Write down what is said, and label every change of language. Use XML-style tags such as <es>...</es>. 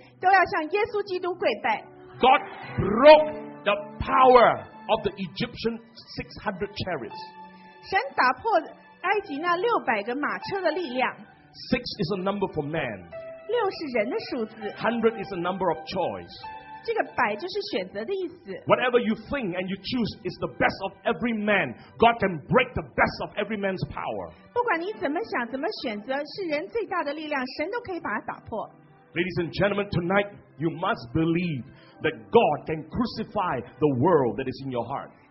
<zh>我命令在你生命当中，你觉得一切像哥利亚那样强壮的巨人，都要向耶稣基督跪拜。</zh> <en>God broke the power of the Egyptian 600 chariots.</en> <zh>神打破埃及那600个马车的力量。</zh> <en>6 is a number for man.</en> <zh>6是人的数字。</zh> <en>100 is a number of choice.</en> <zh>这个百就是选择的意思。</zh> <en>Whatever you think and you choose is the best of every man. God can break the best of every man's power.</en> <zh>不管你怎么想怎么选择，是人最大的力量，神都可以把它打破。</zh> <en>Ladies and gentlemen, tonight you must believe that God can crucify the world that is in your heart.</en>